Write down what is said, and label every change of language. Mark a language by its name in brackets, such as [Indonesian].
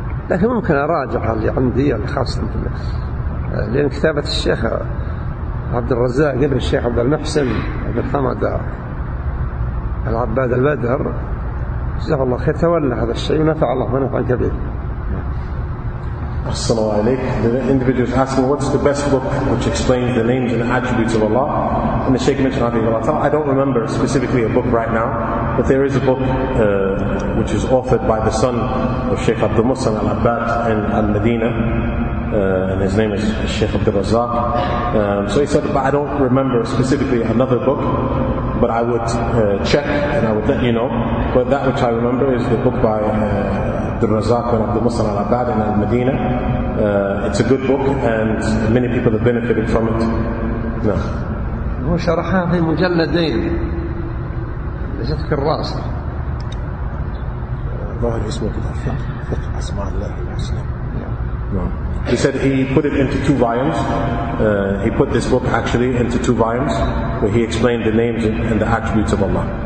[Arabic] لكن ممكن أراجع اللي عندي خاصة لأن كتابة الشيخ عبد الرزاق ابن الشيخ عبد المحسن ابن حمد العباد البدر جزاه الله خير تولى هذا الشيء ونفع الله ونفع كبير. As-salamu alaykum. [English] The individual is asking, what's the best book which explains the names and attributes of Allah? And the Shaykh mentioned Habib al-Atala. I don't remember specifically a book right now, but there is a book which is authored by the son of Shaykh Abdul Musan al-Abbad in al-Madinah, and his name is Shaykh Abdul Razak. So he said, but I don't remember specifically another book, but I would check and I would let you know. But that which I remember is the book by Abdul Razak and Abdul Musan al-Abbad in al-Madinah. It's a good book and many people have benefited from it. No. [Arabic] هو شرحها في مجلدين لست كراسة ظهر اسمه فقه أسماء الله الحسنى. [English] He said he put it into two volumes. He put this book actually into two volumes where he explained the names and the attributes of Allah.